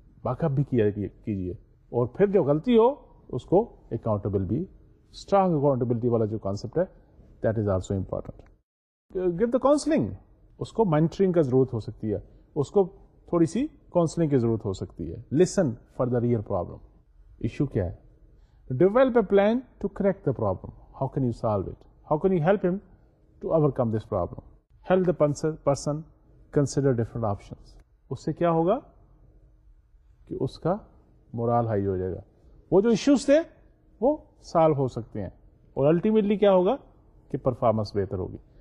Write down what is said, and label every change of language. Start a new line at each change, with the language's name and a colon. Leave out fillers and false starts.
Urdu: باقب بھی کیجیے, اور پھر جو غلطی ہو اس کو اکاؤنٹیبل بھی. اسٹرانگ اکاؤنٹیبلٹی والا جو کانسیپٹ ہے,
English: That is also important. Give the counselling,
Urdu: اس کو مانیٹرنگ کا ضرورت ہو سکتی ہے, اس کو تھوڑی سی کاؤنسلنگ کی ضرورت ہو سکتی ہے.
English: listen for the real problem,
Urdu: issue کیا ہے.
English: Develop a plan to correct the problem. How can you solve it, how can you help him to overcome this problem. Help the person consider different options.
Urdu: اس سے کیا ہوگا کہ اس کا morale high ہو جائے گا, وہ جو ایشوز تھے وہ سالو ہو سکتے ہیں, اور الٹیمیٹلی کیا ہوگا کہ پرفارمنس بہتر ہوگی.